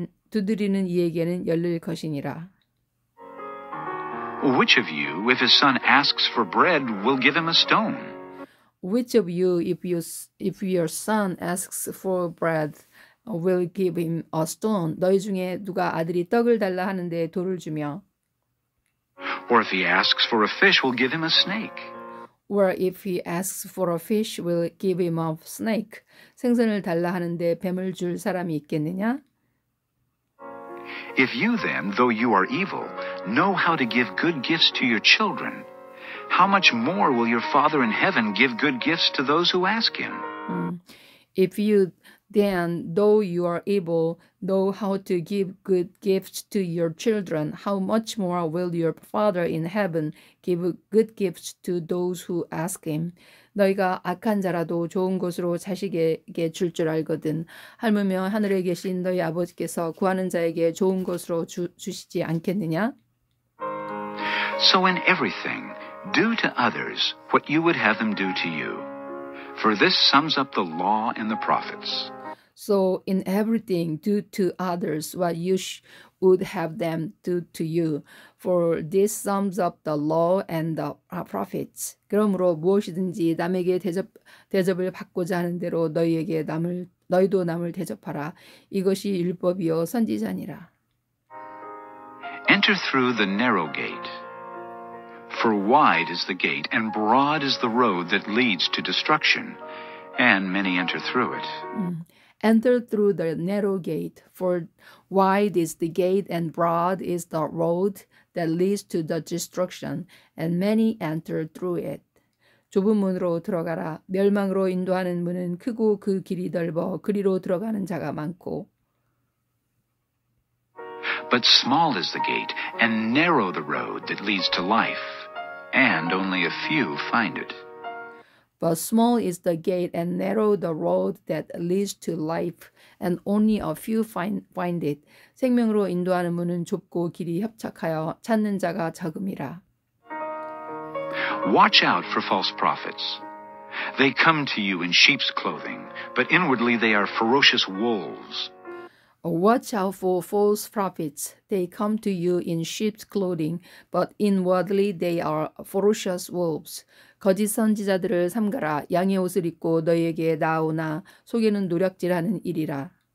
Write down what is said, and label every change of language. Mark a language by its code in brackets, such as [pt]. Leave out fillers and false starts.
[ko] 두드리는 이에게는 열릴 것이니라. [en] Which of you, if his son asks for bread, will give him a stone? Which of you, if your son asks for bread, will give him a stone? [ko] 너희 중에 누가 아들이 떡을 달라 하는데 돌을 주며? [en] Or if he asks for a fish, we'll give him a snake. Or if he asks for a fish, we'll give him a snake. [ko] 생선을 달라 하는데 뱀을 줄 사람이 있겠느냐? [en] If you then, though you are evil, know how to give good gifts to your children, how much more will your Father in heaven give good gifts to those who ask him? If you then, though you are able, know how to give good gifts to your children, how much more will your Father in heaven give good gifts to those who ask him? [ko] 너희가 악한 자라도 좋은 것으로 자식에게 줄 줄 알거든. 하물며 하늘에 계신 너희 아버지께서 구하는 자에게 좋은 것으로 주시지 않겠느냐? [en] So in everything, do to others what you would have them do to you. For this sums up the law and the prophets. So in everything, do to others what you would have them do to you. For this sums up the law and the prophets. [ko] 그러므로 무엇이든지 남에게 대접을 받고자 하는 대로 너희에게 남을 너희도 남을 대접하라. 이것이 율법이요 선지자니라. [en] Enter through the narrow gate. For wide is the gate, and broad is the road that leads to destruction, and many enter through it. Enter through the narrow gate, for wide is the gate, and broad is the road that leads to the destruction, and many enter through it. [ko] 좁은 문으로 들어가라. 멸망으로 인도하는 문은 크고 그 길이 넓어 그리로 들어가는 자가 많고. [en] But small is the gate, and narrow the road that leads to life, and only a few find it. But small is the gate, and narrow the road that leads to life, and only a few find it. [ko] 생명으로 인도하는 문은 좁고 길이 협착하여 찾는 자가 적음이라. [en] Watch out for false prophets. They come to you in sheep's clothing, but inwardly they are ferocious wolves. Watch out for false prophets. They come to you in sheep's clothing, but inwardly they are ferocious wolves. [ko] 거짓 선지자들을 삼가라. 양의 옷을 입고 너희에게 나오나 속에는 노략질하는 이리라.